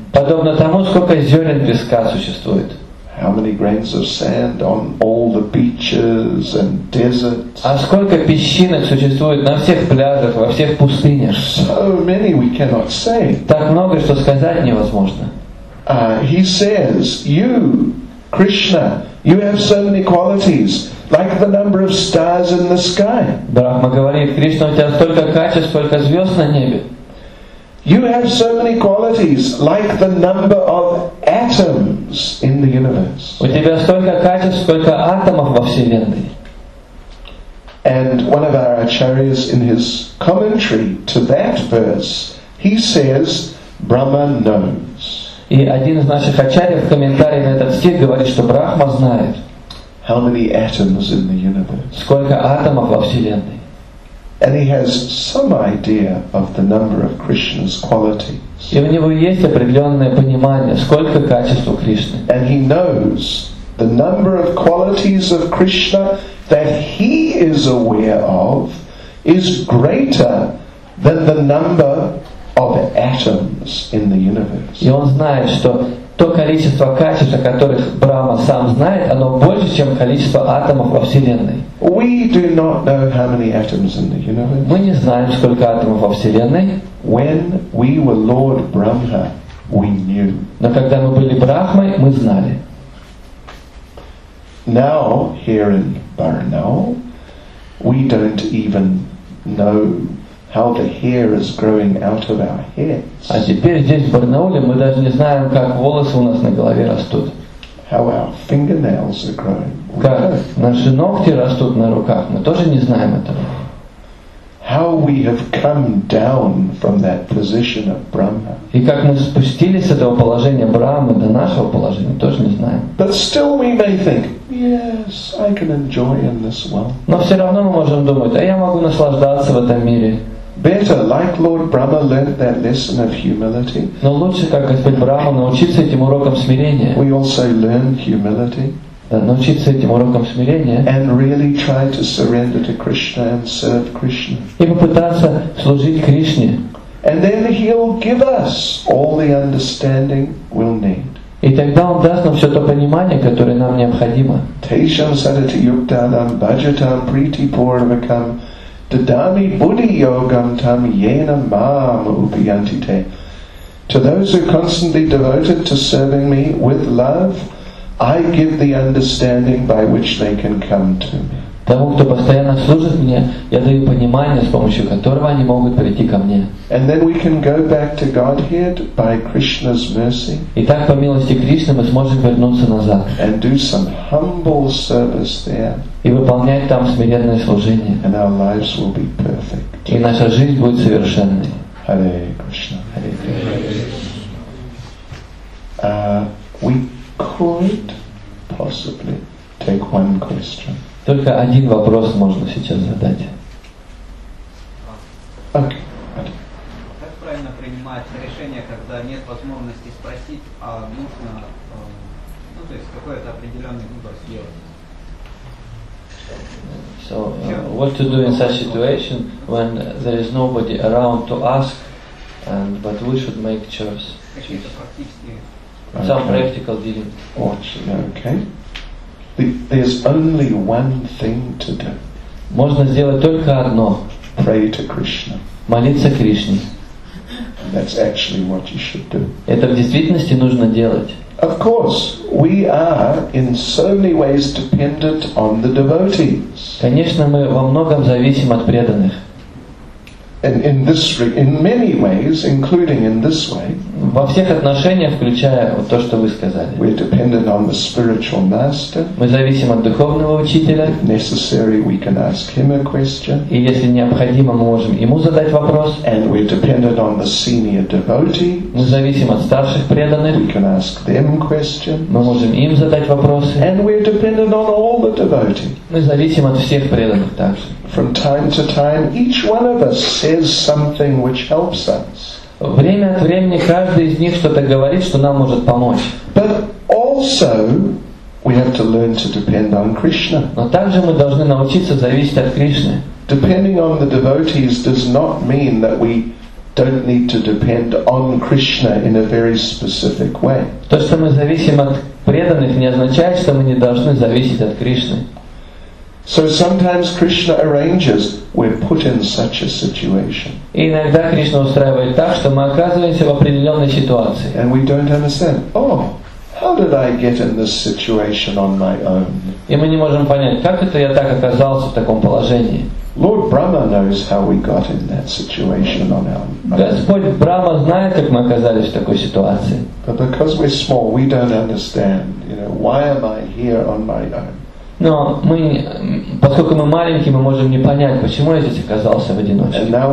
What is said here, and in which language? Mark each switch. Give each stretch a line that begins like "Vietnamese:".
Russian: Подобно тому, сколько зерен песка существует.
English: How many grains of sand on all the beaches and deserts?
Russian: А сколько песчинок существует на всех пляжах, во всех пустынях?
English: So many we cannot say.
Russian: Так много, что сказать невозможно.
English: He says, you, Krishna, you have so many qualities, like the number of stars in the sky.
Russian: Брахма говорит, Кришна, у тебя столько качеств, сколько звезд на небе.
English: You have so many qualities, like the number of atoms in the universe.
Russian: У тебя столько качеств, сколько атомов во вселенной.
English: And one of our acharyas in his commentary to that verse, he says, Brahma knows.
Russian: И один из наших ачарьев в комментарии на этот стих говорит, что Брахма знает.
English: How many atoms in the universe?
Russian: Сколько атомов во вселенной.
English: And he has some idea of the number of Krishna's qualities.
Russian: И у него есть определенное понимание, сколько качеств у Кришны.
English: And he knows the number of qualities of Krishna that he is aware of is greater than the number of atoms in the universe.
Russian: И он знает, что то количество качеств, о которых Брахма сам знает, оно больше, чем количество атомов во Вселенной.
English: We do not know how many atoms in the universe.
Russian: Мы не знаем, сколько атомов во Вселенной.
English: When we were Lord Brahma, we knew.
Russian: Но когда мы были Брахмой, мы знали.
English: Now, here in Baranau, we don't even know how the hair is growing out of our heads.
Russian: А теперь здесь, в Барнауле, мы даже не знаем, как волосы у нас на голове растут.
English: How our fingernails are growing.
Russian: Как наши ногти растут на руках, мы тоже не знаем этого.
English: How we have come down from that position of Brahma.
Russian: И как мы спустились с этого положения Брахмы до нашего положения, тоже не знаем.
English: But still we may think, yes, I can enjoy in this world.
Russian: Но все равно мы можем думать, а я могу наслаждаться в этом мире.
English: Better, like Lord Brahma learned that lesson of humility.
Russian: Но лучше, как Господь Брахма научился этим урокам смирения.
English: We also learn humility.
Russian: Да, научиться этим урокам смирения.
English: And really try to surrender to Krishna and serve Krishna.
Russian: И попытаться служить Кришне.
English: And then He'll give us all the understanding we'll need.
Russian: И тогда Он даст нам все то понимание, которое нам необходимо.
Sanskrit: Tesham sadati yuktanam bhajatam priti purvakam Dadami buddhi yogam tam yena maam upiyantite.
English: To those who are constantly devoted to serving me with love, I give the understanding by which they can come to me.
Russian: Тому, кто постоянно служит мне, я даю понимание, с помощью которого они могут прийти ко мне.
English: And then we can go back to Godhead by Krishna's mercy.
Russian: И так, по милости Кришны, мы сможем вернуться назад.
English: And do some humble service there.
Russian: И выполнять там смиренное служение.
English: And our lives will be perfect.
Russian: И наша жизнь будет совершенной.
English: Hare Krishna.
Russian: Hare Krishna.
English: We could possibly take one question.
Russian: Только один вопрос можно сейчас задать.
English: Okay.
Russian: Как правильно принимать решение, когда нет возможности спросить, а нужно, ну то есть какой-то определенный выбор сделать?
English: So, what to do in such situation when there is nobody around to ask, and but we should make choice?
Russian: Какие-то практические.
English: Some practical dealing. Okay. There's only one thing to do.
Russian: Можно сделать только одно.
English: Pray to Krishna.
Russian: Молиться Кришне.
English: That's actually what you should do.
Russian: Это в действительности нужно делать.
English: Of course, we are in so many ways dependent on the devotees.
Russian: Конечно, мы во многом зависим от преданных.
English: And in many ways, including in this way.
Russian: во всех отношениях, включая вот то, что вы сказали.
English: We're dependent on the spiritual master.
Russian: Мы зависим от духовного учителя.
English: If necessary, we can ask him a question.
Russian: И если необходимо, мы можем ему задать вопрос.
English: And we're dependent on the senior devotee.
Russian: Мы зависим от старших преданных.
English: We can ask them questions.
Russian: Мы можем им задать вопросы.
English: And we're dependent on all the devotees.
Russian: Мы зависим от всех преданных также.
English: From time to time, each one of us says something which helps us.
Russian: Время от времени каждый из них что-то говорит, что нам может помочь.
English: But also, we have to learn to depend on Krishna.
Russian: Но также мы должны научиться зависеть от Кришны.
English: Depending on the devotees does not mean that we don't need to depend on Krishna in a very specific way.
Russian: То, что мы зависим от преданных, не означает, что мы не должны зависеть от Кришны.
English: So sometimes Krishna arranges we're put in such a situation.
Russian: Иногда Кришна устраивает так, что мы оказываемся в определенной ситуации.
English: And we don't understand. Oh, how did I get in this situation on my own?
Russian: И мы не можем понять, как это я так оказался в таком положении.
English: Lord Brahma knows how we got in that situation on our own.
Russian: Господь Брахма знает, как мы оказались в такой ситуации.
English: But because we're small, we don't understand. You know, why am I here on my own?
Russian: Но мы, поскольку мы маленькие, мы можем не понять, почему я здесь оказался в одиночестве.